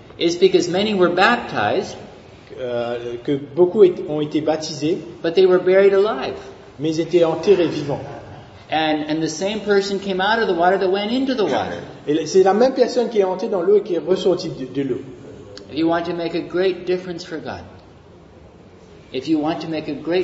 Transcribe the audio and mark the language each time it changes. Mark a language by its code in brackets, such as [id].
[en] Is because many were baptized. [fr] Que beaucoup ont été baptisés. [en] But they were buried alive. [fr] Mais ils étaient enterrés vivants. [en] And the same person came out of the water that went into the water. [fr] Et c'est la même personne qui est entrée dans l'eau et qui est ressortie de l'eau. [en] If you want to make a great difference for God. If you want to make a great